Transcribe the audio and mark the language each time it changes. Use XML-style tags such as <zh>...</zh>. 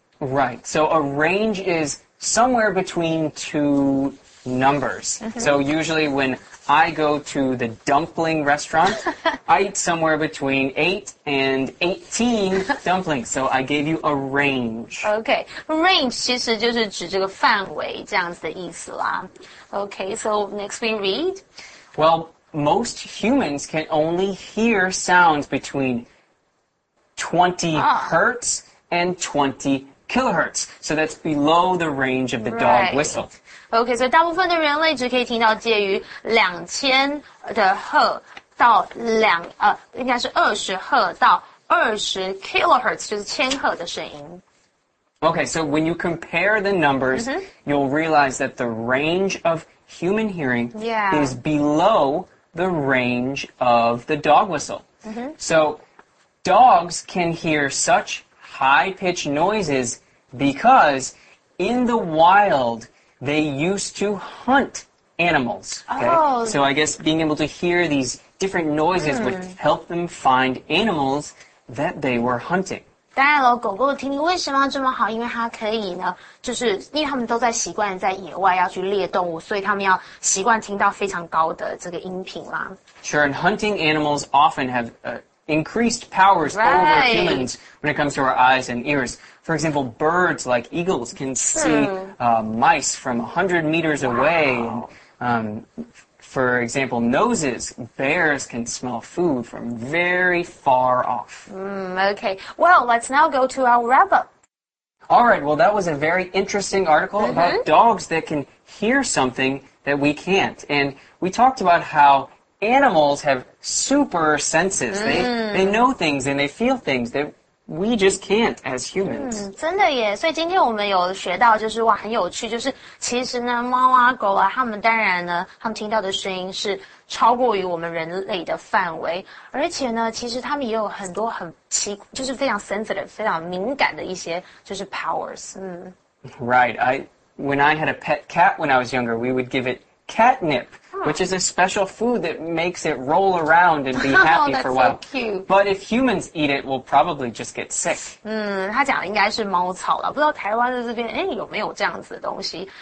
<en>Right. So a range is somewhere between two... numbers. So usually when I go to the dumpling restaurant, I eat somewhere between 8 and 18 dumplings. So I gave you a range.</en> <zh>Okay, range 其实就是指这个范围这样子的意思啦。</zh> <en>Okay, so next we read. Well, most humans can only hear sounds between 20 hertz and 20 kilohertz. So that's below the range of the dog whistle.</en> <zh>OK, 所以大部分的人类只可以听到介于2000的赫到应该是20赫到20 kilohertz, 就是千赫的声音。</zh> <en>OK, so when you compare the numbers, you'll realize that the range of human hearing is below the range of the dog whistle. So dogs can hear such high-pitched noises because in the wild... They used to hunt animals. Okay? Oh. So I guess being able to hear these different noises would help them find animals that they were hunting.</en> <zh>当然了，狗狗的听力为什么这么好？因为它可以呢，就是因为他们都在习惯在野外要去猎动物，所以他们要习惯听到非常高的这个音频啦。</zh> <en>Sure, and hunting animals often have increased powers over humans when it comes to our eyes and ears. For example, birds like eagles can see mice from 100 meters away. For example, noses, bears can smell food from very far off. Okay, well, let's now go to our wrap-up. All right, well, that was a very interesting article about dogs that can hear something that we can't. And we talked about how... Animals have super senses. They know things and they feel things that we just can't as humans.</en> <zh>真的耶！所以今天我们有学到，就是哇，很有趣。就是其实呢，猫啊、狗啊，它们当然呢，它们听到的声音是超过于我们人类的范围。而且呢，其实它们也有很多很奇，就是非常 sensitive、非常敏感的一些就是 powers.</zh> <en>Right. When I had a pet cat when I was younger, we would give it. Catnip, which is a special food that makes it roll around and be happy for a while. So cute. But if humans eat it, we'll probably just get sick.</en> <zh>他讲的应该是猫草了，不知道台湾的这边有没有这样子的东西。</zh>